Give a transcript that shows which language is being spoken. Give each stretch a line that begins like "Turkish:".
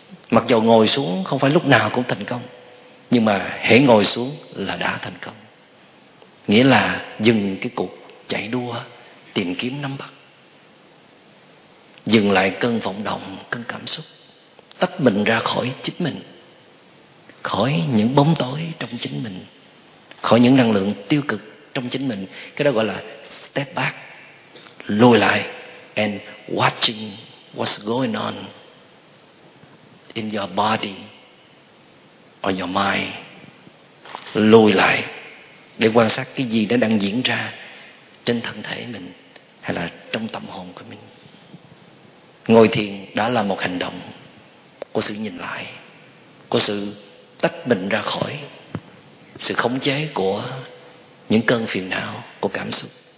Vietnamese: Mặc dầu ngồi xuống không phải lúc nào cũng thành công, nhưng mà hễ ngồi xuống là đã thành công, nghĩa là dừng cái cuộc chạy đua tìm kiếm nắm bắt, dừng lại cơn vọng động, cơn cảm xúc, tách mình ra khỏi chính mình, khỏi những bóng tối trong chính mình, khỏi những năng lượng tiêu cực trong chính mình. Cái đó gọi là
English: step back,
Vietnamese: lùi lại
English: and watching what's going on in your body or your mind.
Vietnamese: Lùi lại để quan sát cái gì nó đang diễn ra trên thân thể mình hay là trong tâm hồn của mình. Ngồi thiền đã là một hành động của sự nhìn lại, của sự tách mình ra khỏi sự khống chế của những cơn phiền não, của cảm xúc.